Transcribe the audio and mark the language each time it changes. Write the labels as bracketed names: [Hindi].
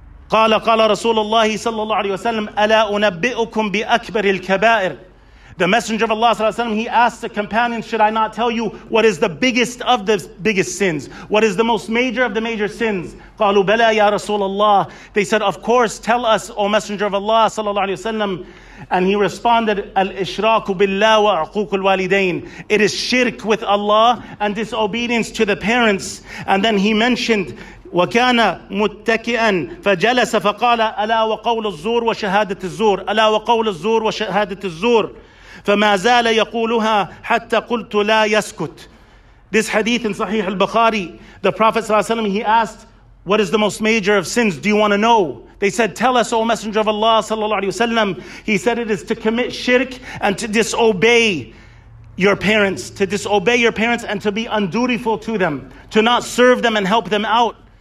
[Arabic] قال قال رسول الله صلى الله عليه وسلم ألا أنبئكم بأكبر الكبائر. [English] The messenger of Allah sallallahu alaihi wasallam, he asked the companions, should I not tell you what is the biggest of the biggest sins? What is the most major of the major sins? [Arabic] قَالُوا بَلَا يَا رَسُولَ اللَّهِ. [English] They said, of course, tell us, O messenger of Allah sallallahu alaihi wasallam. And he responded, [Arabic] الْإِشْرَاكُ بِاللَّهِ وَعْقُوكُ الْوَالِدَيْنِ. [English] It is shirk with Allah and disobedience to the parents. And then he mentioned, [Arabic] وَكَانَ مُتَّكِئًا فَجَلَسَ فَقَالَ أَلَا وَقَوْلُ الزُّورِ وَشَهَادَةِ الزُّورِ. أَلَا وَقَوْلُ الزُّورِ وَشَهَادَةِ الزُّورِ. فما زال يقولها حتى قلت لا يسكت. [English] This hadith in Sahih al-Bukhari, the Prophet sallallahu alaihi wasallam, he asked, what is the most major of sins? Do you want to know? They said, tell us, O Messenger of Allah sallallahu alaihi wasallam. He said, it is to commit shirk and to disobey your parents, to disobey your parents and to be undutiful to them, to not serve them and help them out.